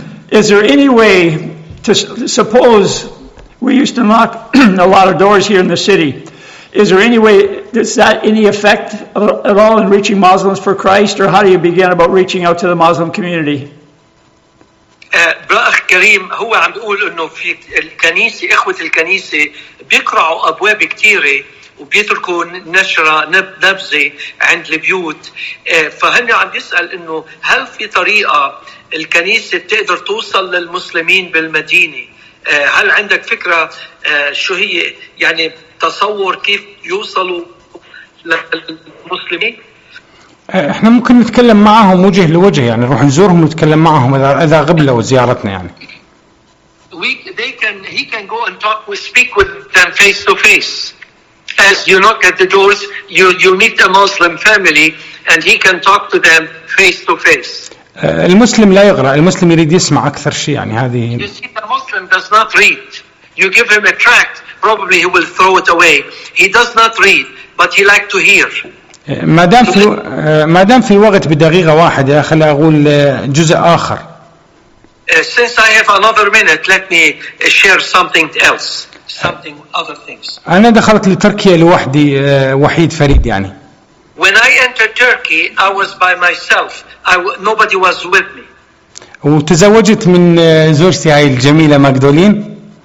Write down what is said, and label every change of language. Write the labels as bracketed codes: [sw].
[en] Is there any way to suppose we used to knock a lot of doors here in the city? Is there any way, does that any effect at all in reaching Muslims for Christ, or how do you begin about reaching out to the Muslim community? [ar] برأخ كريم هو عم بيقول إنه في الكنيسة إخوة الكنيسة بيقرعوا أبواب كتيرة وبيتركوا نشرة نبذة عند البيوت فهني عم بيسأل إنه هل في طريقة الكنيسة تقدر توصل للمسلمين بالمدينة هل عندك فكرة شو هي يعني تصور كيف يوصلوا للمسلمين احنا ممكن نتكلم معهم وجه لوجه يعني نروح نزورهم ونتكلم معهم اذا غبلوا زيارتنا يعني [en] he can go and talk we speak with them face to face as you knock at the doors you meet a Muslim family and he can talk to them face to face [ar] المسلم لا يقرأ المسلم يريد يسمع اكثر شيء يعني هذه [en] you see the Muslim does not read you give him a tract probably he will throw it away he does not read but he like to hear [ar] ما دام في الوقت بدقيقة واحدة خلي أقول جزء آخر. [en] Since I have another minute, let me share something else, something other things. [ar] أنا دخلت لتركيا لوحدي وحيد فريد يعني. [en] When I entered Turkey, I was by myself. Nobody was with me. [ar] وتزوجت من زوجتي هاي الجميلة ماكدولين.